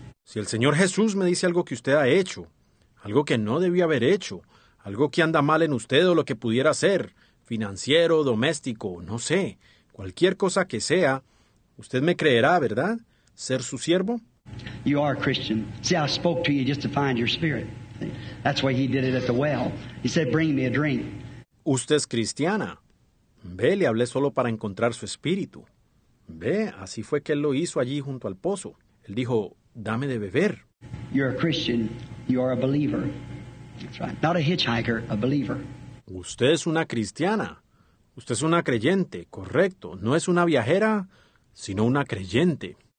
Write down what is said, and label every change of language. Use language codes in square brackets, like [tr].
[es] Si el Señor Jesús me dice algo que usted ha hecho, algo que no debía haber hecho, algo que anda mal en usted o lo que pudiera ser, financiero, doméstico, no sé, cualquier cosa que sea, usted me creerá, ¿verdad? ¿Ser su siervo? [en] You are a Christian. See, I spoke to you just to find your spirit. That's why he did it at the well. He said, bring me a drink. [es] Usted es cristiana. Ve, le hablé solo para encontrar su espíritu. Ve, así fue que él lo hizo allí junto al pozo. Él dijo, dame de beber. [en] You're a Christian. You are a believer. That's right. Not a hitchhiker, a believer. [es] Usted es una cristiana. Usted es una creyente, correcto. No es una viajera, sino una creyente.